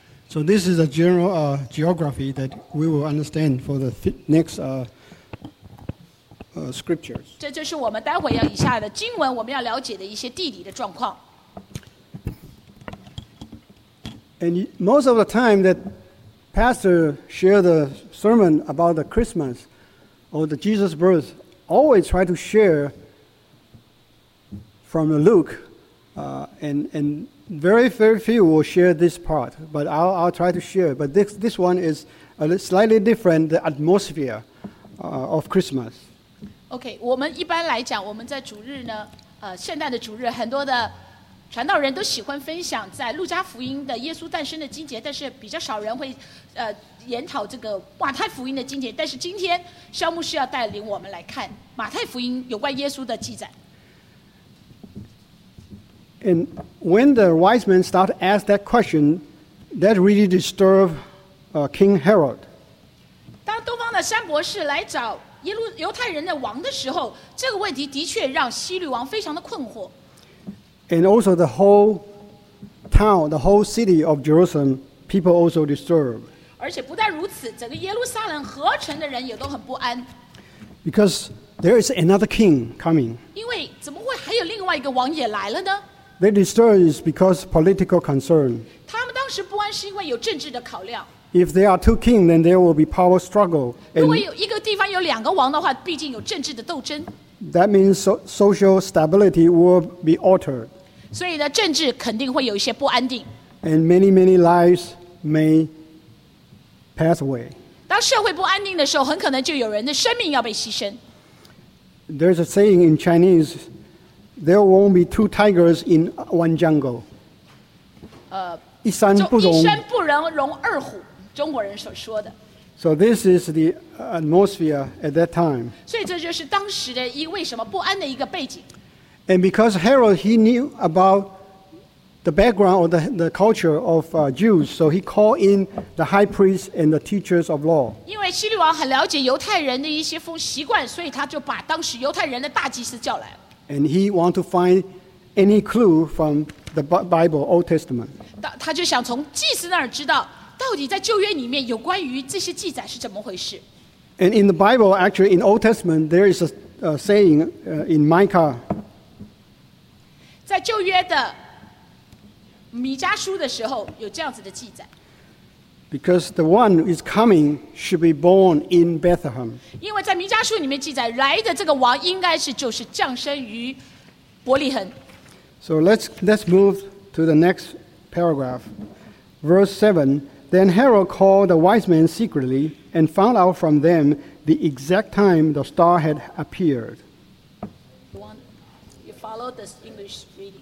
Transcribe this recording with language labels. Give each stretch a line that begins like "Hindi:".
English: So this is a general geography that we will understand for the next scriptures.
Chinese: 这就是我们待会要以下的经文，我们要了解的一些地理的状况。
English: And most of the time that pastor share the sermon about the Christmas or the Jesus birth, always try to share from Luke, and. Very, very few will share this part, but I'll try to share. But this one is a slightly different, the atmosphere of Christmas.
Chinese: Okay, 我们一般来讲，我们在主日呢，圣诞的主日，很多的传道人都喜欢分享在路加福音的耶稣诞生的经节，但是比较少人会研讨这个马太福音的经节。但是今天肖牧师要带领我们来看马太福音有关耶稣的记载。
English: And when the wise men start to ask that question, that really disturbed King Herod.
Chinese: 当东方的三博士来找犹太人的王的时候，这个问题的确让希律王非常的困惑。
English: And also the whole town, the whole city of Jerusalem, people also disturbed.
Chinese: 而且不但如此，整个耶路撒冷合成的人也都很不安。
English: Because there is another king coming.
Chinese: 因为怎么会还有另外一个王也来了呢？
English: They disturbed because political concern.
Chinese: 他们当时不安是因为有政治的考量。
English: If there are two kings, then there will be power struggle.
Chinese: 如果有一个地方有两个王的话，毕竟有政治的斗争。
English: That means social stability will be altered.
Chinese: 所以呢，政治肯定会有一些不安定。
English: And many, many lives may pass away.
Chinese: 当社会不安定的时候，很可能就有人的生命要被牺牲。
English: There's a saying in Chinese. There won't be two tigers in one jungle.
Chinese: 一山不容二虎，中国人所说的。
English: So this is the atmosphere at that time.
Chinese: 所以这就是当时的一为什么不安的一个背景。
English: And because Herod he knew about the background or the culture of Jews, so he called in the high priests and the teachers of law.
Chinese: 因为希律王很了解犹太人的一些风习惯，所以他就把当时犹太人的大祭司叫来了。
English: And he want to find any clue from the Bible, Old Testament.
Chinese: 他就想从祭司那儿知道，到底在旧约里面有关于这些记载是怎么回事。
English: And in the Bible, actually in Old Testament, there is a saying in Micah.
Chinese: 在旧约的米迦书的时候，有这样子的记载。
English: Because the one who is coming should be born in Bethlehem.
Chinese: 因为在弥迦书里面记载，来的这个王应该是就是降生于伯利恒。
English: So let's move to the next paragraph, verse 7. Then Herod called the wise men secretly and found out from them the exact time the star had appeared. You follow this English reading.